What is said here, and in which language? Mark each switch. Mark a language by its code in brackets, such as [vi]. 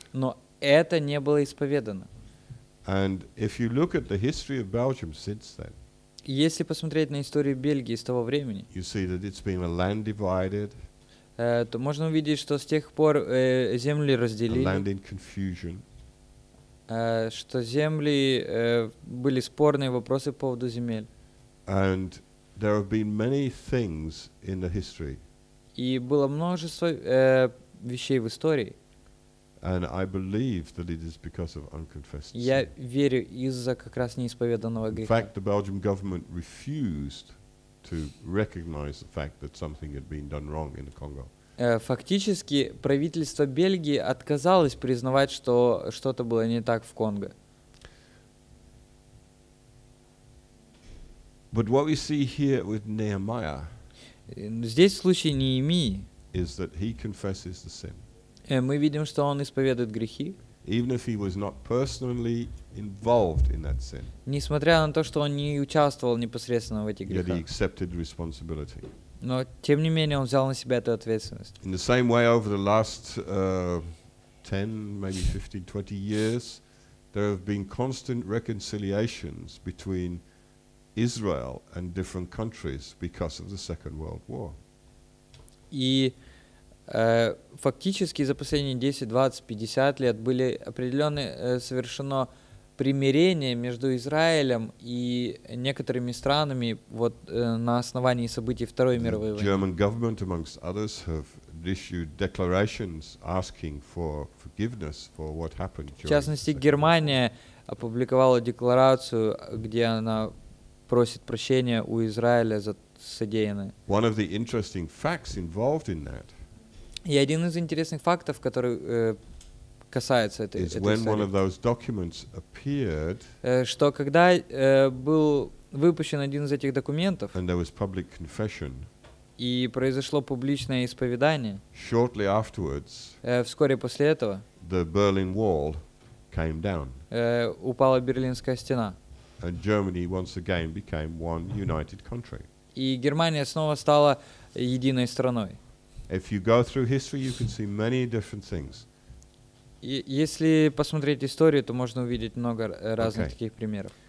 [ru] Но это не было исповедано. [en] And if you look at the history of Belgium since then, [ru] если посмотреть на историю Бельгии с того времени, [en] you see that it's been a land divided, [ru] то можно увидеть, что с тех пор земли разделили, [en] a land in confusion, [ru] что земли были спорные вопросы по поводу земель. [en] And there have been many things in the history. [ru] И было множество вещей в истории. [en] And I believe that it is because of unconfessed sin. [ru] Я верю из-за как раз неисповеданного греха. [en] In fact, the Belgian government refused to recognize the fact that something had been done wrong in the Congo. [ru] Фактически правительство Бельгии отказалось признавать, что что-то было не так в Конго. [en] But what we see here with Nehemiah, [ru] здесь в случае Неемии, [en] is that he confesses the sin. [ru] Мы видим, что он исповедует грехи. [en] Even if he was not personally involved in that sin. [ru] Несмотря на то, что он не участвовал непосредственно в этих грехах. [en] Yet he accepted responsibility. [ru] Но тем не менее он взял на себя эту ответственность. [en] In the same way, over the last 10, maybe 15, 20 years, there have been constant reconciliations between Israel and different countries because of the Second World War. [ru] И фактически за последние 10, 20, 50 лет были определенные совершено примирение между Израилем и некоторыми странами вот на основании событий Второй мировой войны. [en] German government, amongst others, have issued declarations asking for forgiveness for what happened. [ru] В частности, Германия опубликовала декларацию, где она просит прощения у Израиля за содеянное. [en] One of the interesting facts involved in that. [ru] И один из интересных фактов, который касается этой истории, [en] when one of those documents appeared, [ru] что когда был выпущен один из этих документов, [en] and there was public confession, [ru] и произошло публичное исповедание, [en] shortly afterwards, [ru] вскоре после этого, [en] the Berlin Wall came down, [ru] упала Берлинская стена, [en] and Germany once again became one united country. [ru] И Германия снова стала единой страной. [en] If you go through history, you can see many different things. [ru] Если посмотреть историю, то можно увидеть много разных таких примеров.